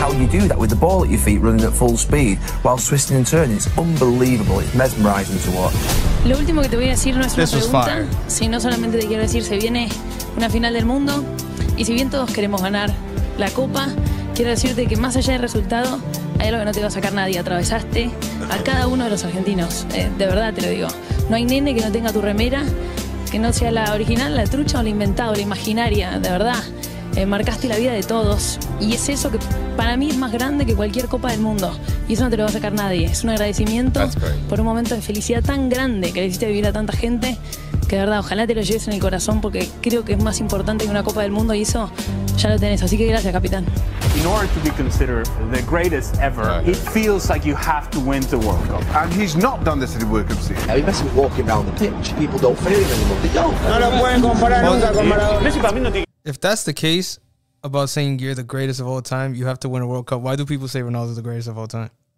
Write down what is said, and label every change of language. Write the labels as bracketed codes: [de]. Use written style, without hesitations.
[en] Do that with the ball at your feet running at full speed while twisting and turning. It's unbelievable. It's mesmerizing to watch. [es] Lo último que te voy a decir no es una pregunta, sino solamente te quiero decir, se viene una final del mundo y si bien todos queremos ganar la copa, quiero decirte que más allá del resultado, hay algo que no te va a sacar nadie. Atravesaste a cada uno de los argentinos, de verdad te lo digo. No hay nene que no tenga tu remera, que no sea la original, la trucha o la inventada, la imaginaria, de verdad. Marcaste la vida de todos y es eso que para mí es más grande que cualquier copa del mundo y eso no te lo va a sacar nadie. Es un agradecimiento por un momento de felicidad tan grande que le hiciste vivir a tanta gente, que de verdad ojalá te lo lleves en el corazón, porque creo que es más importante que una copa del mundo y eso ya lo tenés, así que gracias, capitán. [en] In order to be considered the greatest ever, it feels like you have to win the World Cup. And he's not done this at the World Cup season. Now, he must be walking around the pitch. People don't fear him anymore. They don't. [es] No lo pueden comparar nunca con Maradona. Messi para mí no tiene. [en] If that's the case about saying you're the greatest of all time, you have to win a World Cup. Why do people say Ronaldo's the greatest of all time?